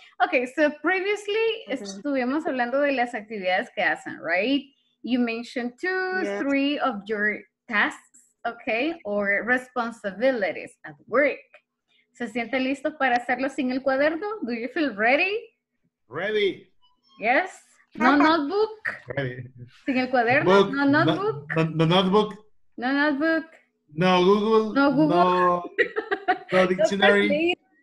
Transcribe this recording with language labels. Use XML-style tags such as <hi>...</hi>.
<es>Okay,</es> <en>so previously</en> <es>estuvimos hablando de las actividades que hacen, right?</es> <en>You mentioned three of your tasks, okay, or responsibilities at work.</en> <es>¿Se siente listo para hacerlo sin el cuaderno?</es> <en>Do you feel ready? Ready. Yes. No notebook. Ready.</en> <es>Sin el cuaderno.</es> <en>Book. No notebook. No notebook. No notebook. No Google. No Google. No dictionary.</en>